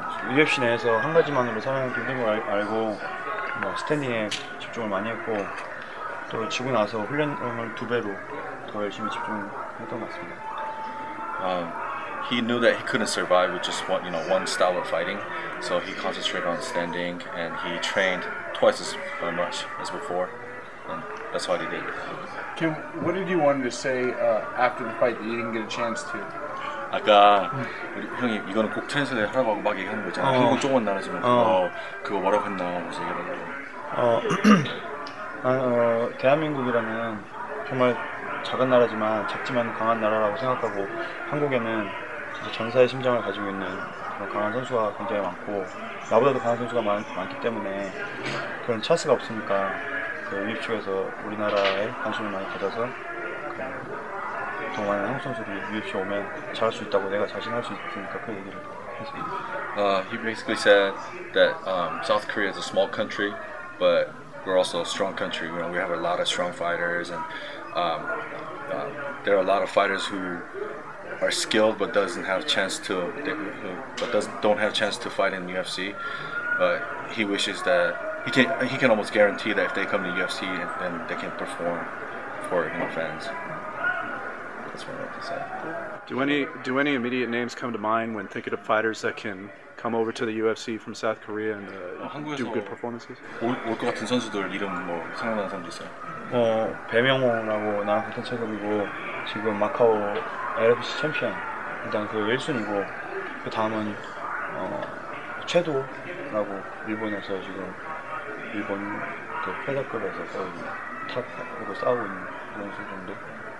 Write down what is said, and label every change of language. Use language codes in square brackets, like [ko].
[ko] UFC 내에서 한 가지만으로 사용하기 힘든 걸 알고 뭐 스탠딩에 집중을 많이 했고 또 지고 나서 훈련을 두 배로 더 열심히 집중했던 것 같습니다. [en] He knew that he couldn't survive with just one, you know, one style of fighting, so he concentrated on standing and he trained twice as much as before, and that's what he did. Kim, what did you want to say after the fight that you didn't get a chance to? [ko] 아까 우리 형이 이거는 꼭 트랜슬레이 하라고 막 얘기하는 거잖아. 한국어 조금 나라지만 그거 뭐라고 했나 무슨 이런 거. 대한민국이라는 정말 작은 나라지만 작지만 강한 나라라고 생각하고 한국에는 전사의 심장을 가지고 있는 그런 강한 선수가 굉장히 많고 나보다도 강한 선수가 많기 때문에 그런 찬스가 없으니까 그 UFC 측에서 우리나라에 관심을 많이 가져서 정말 한국 선수들이 UFC 오면 잘할 수 있다고 내가 자신할 수 있으니까 그 얘기를 했습니다. [en] He basically said that South Korea is a small country, but we're also a strong country. You know, we have a lot of strong fighters, and there are a lot of fighters who are skilled but doesn't have chance to don't have chance to fight in UFC, but he wishes that he can almost guarantee that if they come to UFC and they can perform for, you know, fans. That's what I have to say. Do any immediate names come to mind when thinking of fighters that can come over to the UFC from South Korea and do good performances? [ko] 올 것 같은 선수들 이름 뭐 생각나는 사람도 있어요? 배명호라고 나랑 같은 체급이고 지금 마카오 LFC 챔피언 일단 그 1순위고 그 다음은 최도라고 일본에서 지금 일본 그 회사급에서 거의 탑으로 싸우고 있는 선수 정도.